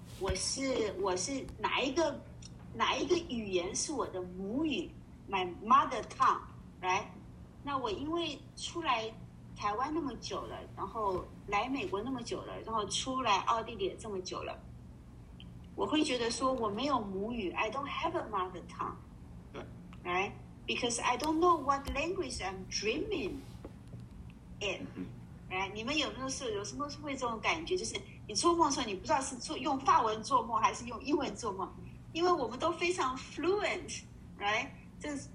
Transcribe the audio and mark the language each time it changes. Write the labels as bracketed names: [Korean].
[Chinese] 我是哪一个语言是我的母语 ？ [English] My mother tongue，right？ [Chinese] 那我因为出来台湾那么久了，然后来美国那么久了，然后出来奥地利这么久了，我会觉得说我没有母语 ， [English] I don't have a mother tongue， right？ Because I don't know what language I'm dreaming in， right？ [Chinese] 你们有时候会这种感觉，就是你做梦的时候你不知道是用法文做梦还是用英文做梦，因为我们都非常 fluent， [English] right？ [Chinese] 这